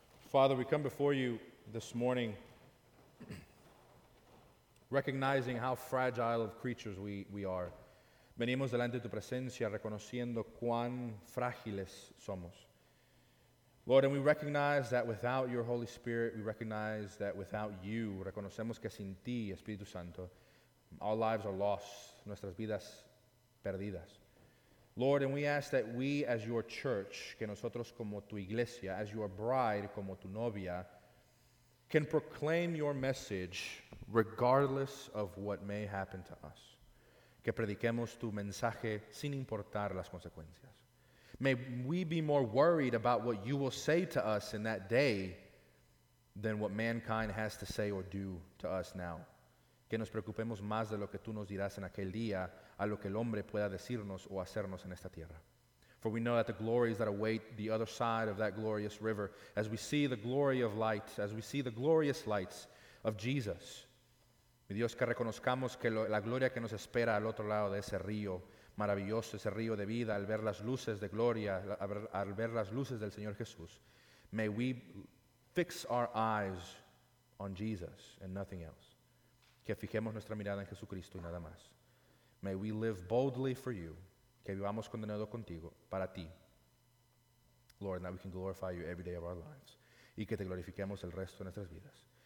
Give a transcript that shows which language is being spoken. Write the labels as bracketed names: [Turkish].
[English] Father, we come before you this morning recognizing how fragile of creatures we are. [Spanish] Venimos delante de tu presencia reconociendo cuán frágiles somos. [English] Lord, and we recognize that without your Holy Spirit, we recognize that without you, [Spanish] reconocemos que sin ti, Espíritu Santo, [English] our lives are lost, [Spanish] nuestras vidas perdidas. [English] Lord, and we ask that we as your church, [Spanish] que nosotros como tu iglesia, [English] as your bride, [Spanish] como tu novia, [English] can proclaim your message regardless of what may happen to us. [Spanish] Que prediquemos tu mensaje sin importar las consecuencias. [English] May we be more worried about what you will say to us in that day than what mankind has to say or do to us now. [Spanish] Que nos preocupemos más de lo que tú nos dirás en aquel día a lo que el hombre pueda decirnos o hacernos en esta tierra. [English] For we know that the glories that await the other side of that glorious river, as we see the glory of light, as we see the glorious lights of Jesus. [Spanish] Mi Dios, que reconozcamos que la gloria que nos espera al otro lado de ese río maravilloso, ese río de vida, al ver las luces de gloria, al ver las luces del Señor Jesús. [English] May we fix our eyes on Jesus and nothing else. [Spanish] Que fijemos nuestra mirada en Jesucristo y nada más. [English] May we live boldly for you. [Spanish] Que vivamos condenado contigo, para ti. [English] Lord, that we can glorify you every day of our lives. [Spanish] Y que te glorifiquemos el resto de nuestras vidas.